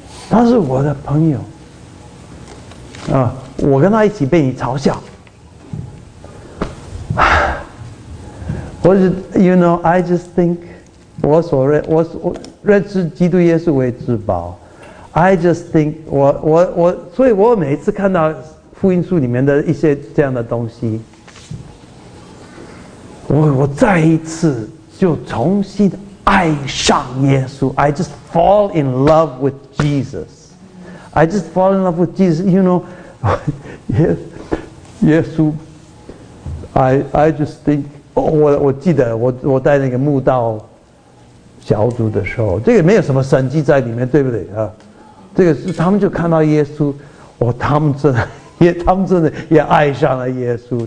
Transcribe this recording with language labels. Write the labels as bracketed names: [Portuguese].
[Chinese] 他是我的朋友啊，我跟他一起被你嘲笑，我是 ， [English] you know， I just think， [Chinese] 我认识基督耶稣为至宝 ，I just think， 我，所以我每一次看到福音书里面的一些这样的东西，我再一次。就重新爱上耶稣 [English] ，I just fall in love with Jesus. I just fall in love with Jesus. You know, [Chinese] 耶稣 ， [English] I just think， [Chinese] 我记得我带那个慕道小组的时候，这个没有什么神迹在里面，对不对啊？这个是他们就看到耶稣，他们真的也爱上了耶稣。